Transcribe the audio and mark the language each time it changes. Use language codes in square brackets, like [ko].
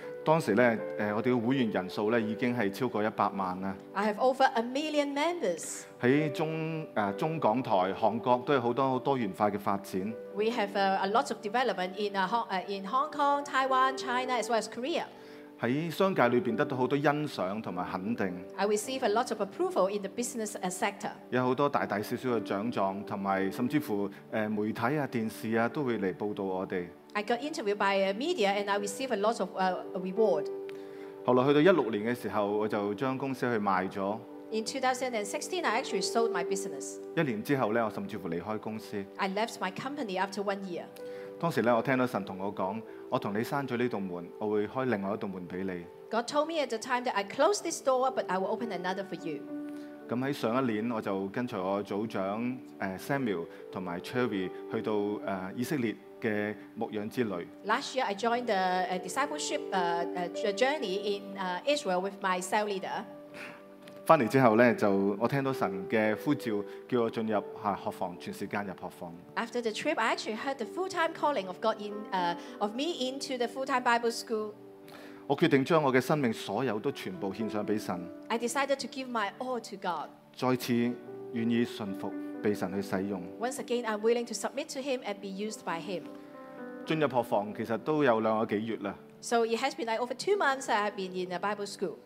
[yue] 當時我哋嘅會員人數已經係超過100万啦。 [en] I have over 1 million members. [yue] 喺中港台、韓國都有好多多元化嘅發展。 [en] We have a lot of development in Hong Kong, Taiwan, China as well as Korea. [yue] 在商界裏面得到很多欣賞和肯定。 [en] I receive a lot of approval in the business sector. [yue] 有很多大大小小的獎狀，甚至乎媒體啊、電視啊都會嚟報導我哋。 [en] I got interviewed by media and I receive a lot of reward. [yue] 後來去到2016年嘅時候，我就將公司去賣咗。 [en] In 2016, I actually sold my business. [yue] 一年之後我甚至乎離開公司。 [en] I left my company after 1 year. [yue] 當時我聽到神同我講。我同你閂咗呢道門，我會開另外一道門俾你。 [en] God told me at the time that I close this door, but I will open another for you. [yue] 咁喺上一年，我就跟隨我組長Samuel 同埋 Cherry 去到以色列嘅牧養之旅。 [en] Last year, I joined the discipleship journey in Israel with my cell leader. [yue] 翻嚟之後咧，就我聽到神嘅呼召，叫我進入學房，全時間入學房。 [en] After the trip, I actually heard the full-time calling of God of me into the full-time Bible school. [yue] 我決定將我嘅生命所有都全部獻上俾神。 [en] I decided to give my all to God. [yue] 再次願意順服，被神去使用。 [en] Once again, I'm willing to submit to Him and be used by Him. [yue] 進入學房其實都有兩個幾月啦。 [en] So it has been like over 2 months that I have been in a Bible school.